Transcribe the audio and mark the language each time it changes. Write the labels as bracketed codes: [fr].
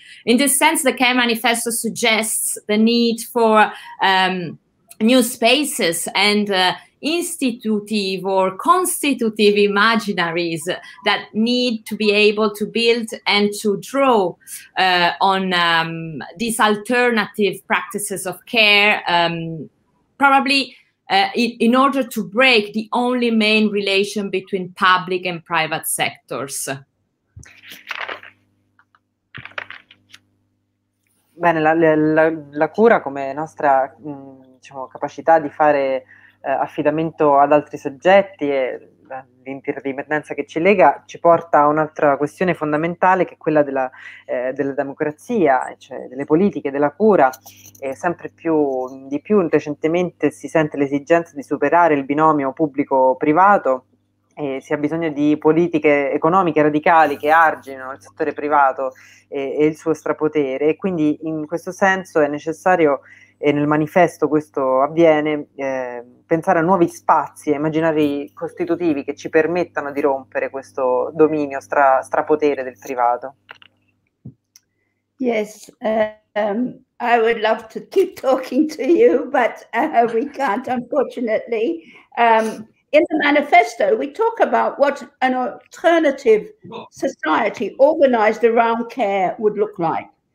[en] In this sense, the CARE Manifesto suggests the need for new spaces and institutive or constitutive imaginaries that need to be able to build and to draw on these alternative practices of care, probably in order to break the only main relation between public and private sectors. [it] Bene, la cura come nostra diciamo, capacità di fare affidamento ad altri soggetti e l'interdipendenza che ci lega ci porta a un'altra questione fondamentale che è quella della democrazia, cioè delle politiche, della cura, e sempre più di più recentemente si sente l'esigenza di superare il binomio pubblico-privato e si ha bisogno di politiche economiche radicali che arginino il settore privato e il suo strapotere, e quindi in questo senso è necessario, e nel manifesto questo avviene, pensare a nuovi spazi, a immaginari costitutivi che ci permettano di rompere questo dominio strapotere del privato. [en] Yes, I would love to keep talking to you, but we can't, unfortunately. In the manifesto we talk about what an alternative society organized around care would look like.